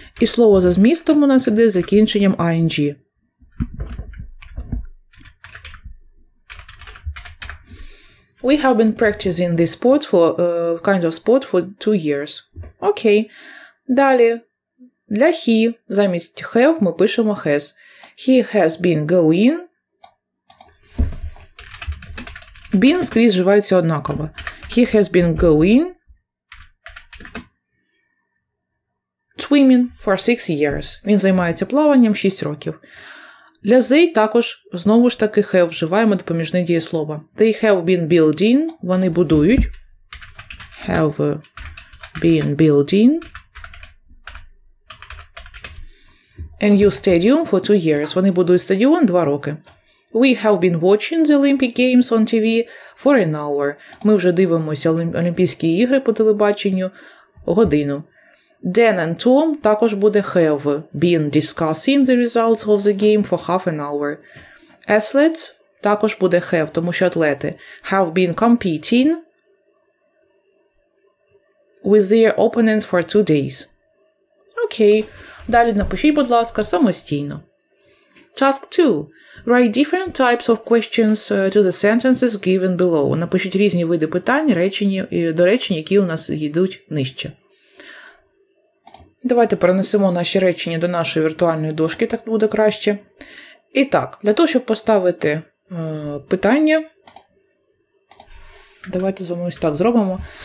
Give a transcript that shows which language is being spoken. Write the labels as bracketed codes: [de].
[uk] І слово за змістом у нас іде з закінченням ing. [en] We have been practicing this sport for kind of sport for 2 years. [uk] Окей. Далі. Для he замість have ми пишемо has. [en] He has been going. [uk] Been скрізь вживається однаково. [en] He has been going. Swimming for 6 years. [uk] Він займається плаванням 6 років. Для they також, знову ж таки, have вживаємо допоміжне дієслово. [en] They have been building. [uk] Вони будують. [en] Have been building. A new stadium for 2 years. [uk] Вони будують стадіон 2 роки. [en] We have been watching the Olympic Games on TV for an hour. [uk] Ми вже дивимося Олімпійські ігри по телебаченню годину. [en] Dan and Tom [uk] також буде [en] have been discussing the results of the game for half an hour. Athletes [uk] також буде [en] have, [uk] тому що атлети [en] have been competing with their opponents for 2 days. [uk] Окей. Далі напишіть, будь ласка, самостійно. [en] Task 2. Write different types of questions to the sentences given below. [uk] Напишіть різні види питань, речень, до речень, які у нас йдуть нижче. Давайте перенесемо наші речення до нашої віртуальної дошки, так буде краще. І так, для того, щоб поставити питання, давайте з вами ось так зробимо.